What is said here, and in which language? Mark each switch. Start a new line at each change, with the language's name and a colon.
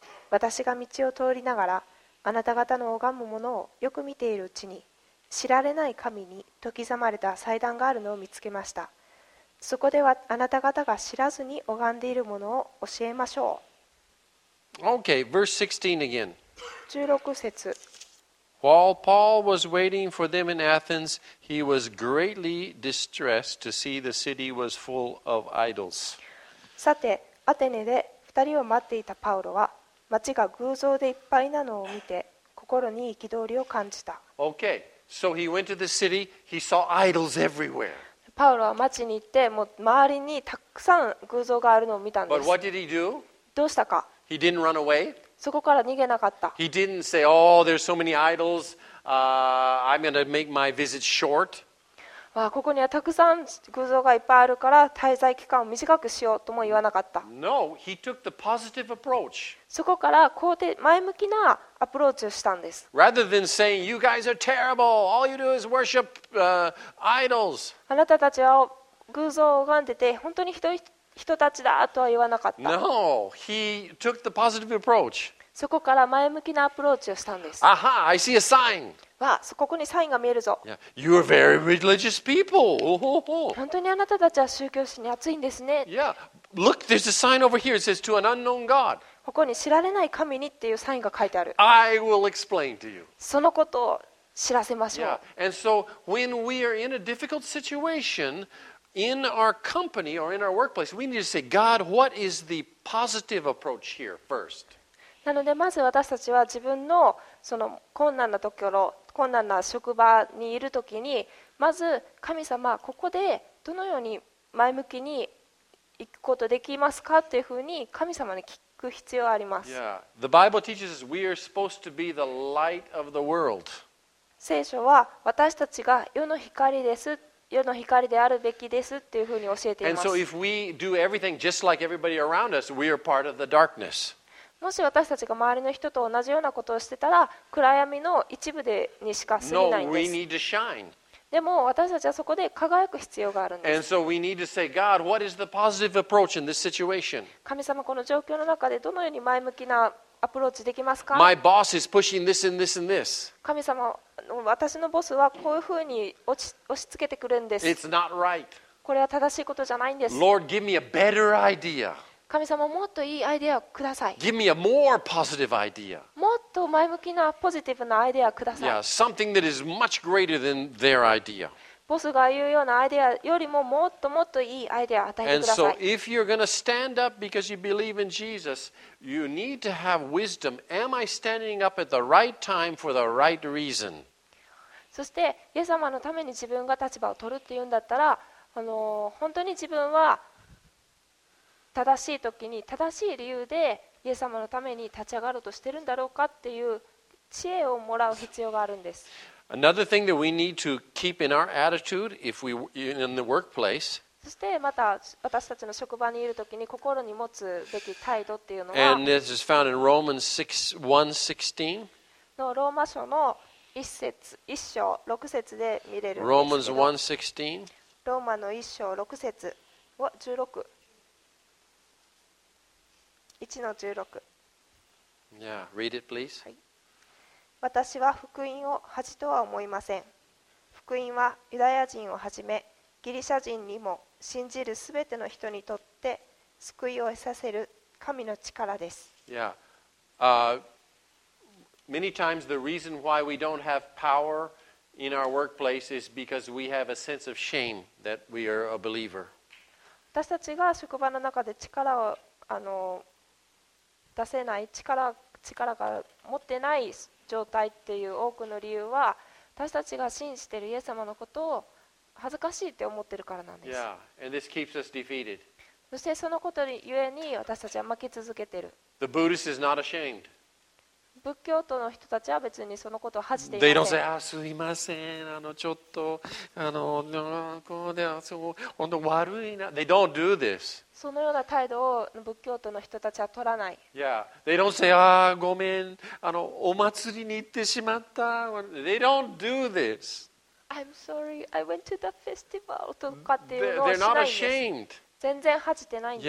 Japanese: 私が道を通りながら、あなた方の拝むものをよく見ているうちに、知られない神に解き刻まれた祭壇があるのを見つけました。そこではあなた方が知らずに拝んでいるものを教えましょう。
English: Okay, verse 16 again.
Japanese: 16節。
English: While Paul was waiting for them in Athens, he was greatly distressed to see the city was full of idols.
Japanese: さて、アテネで2人を待っていたパウロは、町が偶像でいっぱいなのを見て、心に憤りを感じた。
English: Okay, so he went to the city, he saw idols everywhere.
Japanese: パウロは町に行って、もう周りにたくさん偶像があるのを見たんです。
English: But what did he do?
Japanese: どうしたか?
English: He didn't run away.
Japanese: そこから逃げなかった。
English: He didn't say, "Oh, there's so many idols. I'm going to make my visit short."
Japanese: わあ、ここにはたくさん偶像がいっぱいあるから滞在期間を短くしようとも言わなかった。
English: No, he took the positive approach.
Japanese: そこから肯定、前向きなアプローチをしたんです。
English: Rather than saying, "You guys are terrible. All you do is worship idols."
Japanese: あなたたちは偶像を拝んでて本当にひどい人たちだとは言わなかった。
English: No, he took the positive approach.
Japanese: そこから前向きなアプローチをしたんです。
English: Aha, I see a sign.
Japanese: わあ、ここにサインが見えるぞ。
English: Yeah, you are very religious people. Oh.
Japanese: 本当にあなたたちは宗教心に熱いんですね。
English: Yeah, look, there's a sign over here. It says to an unknown God.
Japanese: ここに知られない神にっていうサインが書いてある。
English: I will explain to you.
Japanese: そのことを知らせましょう。
English: Yeah, and so when we are in a difficult situation,In our company or in our workplace, we need to say, God, what is the positive approach here first?
Japanese: なので、まず私たちは自分のその困難なところ、困難な職場にいるときに、まず神様、ここでどのように前向きに行くことできますかっていうふうに神様に聞く必要があります。
English: Yeah. The Bible teaches us we are supposed to be the light of the world.
Japanese: 聖書は私たちが世の光です。世の光であるべきですっていうふうに教えています。
English: And so if we do everything just like everybody around us, we are part of the darkness.
Japanese: もし私たちが周りの人と同じようなことをしてたら、暗闇の一部でにしか過ぎないんです。
English: No, we need to shine.
Japanese: でも私たちはそこで輝く必要があるんです。
English: And so we need to say, God, what is the positive approach in this situation?
Japanese: 神様、この状況の中でどのように前向きなアプローチできますか?
English: My boss is pushing this and this and this.
Japanese: 神様、私のボスはこういうふうに押し付けてくるんです。
English: It's not right.
Japanese: これは正しいことじゃないんです。
English: Lord, give me a better idea.
Japanese: 神様、もっといいアイデアをください。
English: Give me a more positive idea.
Japanese: もっと前向きなポジティブなアイデアをください。
English: Yeah, something that is much greater than their idea.
Japanese: ボスが言うようなアイデアよりももっともっといいアイデアを与えてください。
English: And so, if you're going to stand up because you believe in Jesus, you need to have wisdom. Am I standing up at the right time for the right reason?
Japanese: そしてイエス様のために自分が立場を取るっていうんだったら、本当に自分は正しい時に正しい理由でイエス様のために立ち上がろうとしてるんだろうかっていう知恵をもらう必要があるんです。
English: Another thing that we need to keep in our attitude if we in the workplace.
Japanese: そしてまた私たちの職場にいる時に心に持つべき態度っていうのは、
English: And this is found in Romans 6:1-16.
Japanese: のローマ書の一章六節で見れるんですけど。
English: Romans 1:16.
Japanese: ローマの一章六節を十六。一の十六。
English: Yeah, read it, please.
Japanese: はい。私は福音を恥とは思いません。福音はユダヤ人をはじめギリシャ人にも信じるすべての人にとって救いを得させる神の力です。
English: Many times the reason why we don't have power in our workplace is because we have a sense of shame that we are a believer.
Japanese: 私たちが職場の中で力を出せない力が持ってない状態っていう多くの理由は私たちが信じているイエス様のことを恥ずかしいって思ってるからなんです。
English: Yeah, and this keeps us defeated.
Japanese: そしてそのことゆえに私たちは負け続けてる。
English: The Buddhist is not ashamed.
Japanese: 仏教徒の人たちは別にそのことを恥じていない。
English: They don't say, ah,
Japanese: すいません、ちょっと、こうで、そう、本当悪いな。
English: They don't do this.
Japanese: そのような態度を仏教徒の人たちは取らない。
English: Yeah, they don't say, ah,
Japanese: ごめん、お祭りに行ってしまった。
English: They don't do this. I'm sorry, I went to the festival.
Japanese: とかっていうのをしないんです。全然恥じてないんです。